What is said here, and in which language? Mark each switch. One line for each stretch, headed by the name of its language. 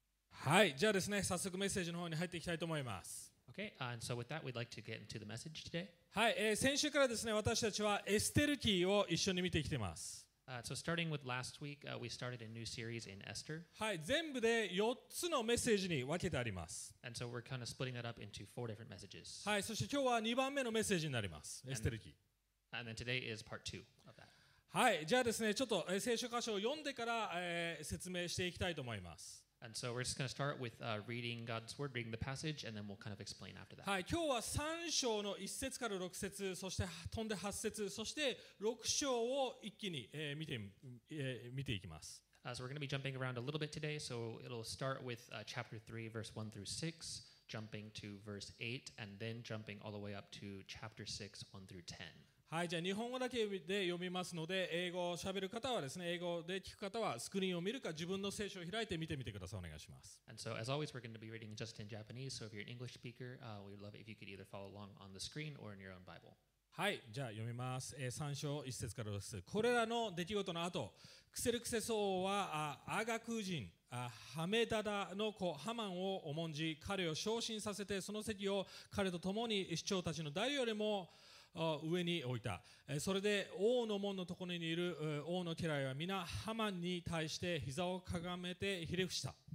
Japanese: はい、じゃあですね、早速メッセージの方に入っていきたいと思います。
English: Okay, and so with that, we'd like to get into the message today.
Japanese: はい、先週からですね、私たちはエステル記を一緒に見てきています。
English: So starting with last week, we started a new series in Esther.
Japanese: はい、全部で4つのメッセージに分けてあります。
English: And so we're kind of splitting that up into four different messages.
Japanese: はい、そして今日は2番目のメッセージになります。エステル記。
English: And then today is part two of that.
Japanese: はい、じゃあですね、ちょっと聖書箇所を読んでから、説明していきたいと思います。
English: And so we're just going to start with reading God's word, reading the passage, and then we'll kind of explain after that.
Japanese: はい、今日は三章の一節から六節、そして飛んで八節、そして六章を一気に、見ていきます。
English: So we're going to be jumping around a little bit today. So it'll start with chapter 3, verse 1 through 6, jumping to verse 8, and then jumping all the way up to chapter 6, 1 through 10.
Japanese: はい、じゃあ日本語だけで読みますので、英語を喋る方はですね、英語で聞く方はスクリーンを見るか自分の聖書を開いて見てみてください。お願いします。
English: And so, as always, we're going to be reading just in Japanese. So if you're an English speaker, we would love it if you could either follow along on the screen or in your own Bible.
Japanese: はい、じゃあ読みます。3章1節からです。これらの出来事の後、クセルクセ僧はアガク人、ハメダダの子ハマンを重んじ、彼を昇進させて、その席を彼と共に市長たちの誰よりも上に置いた。それで王の門のところにいる王の家来は皆ハマンに対して膝をかがめてひれ伏した。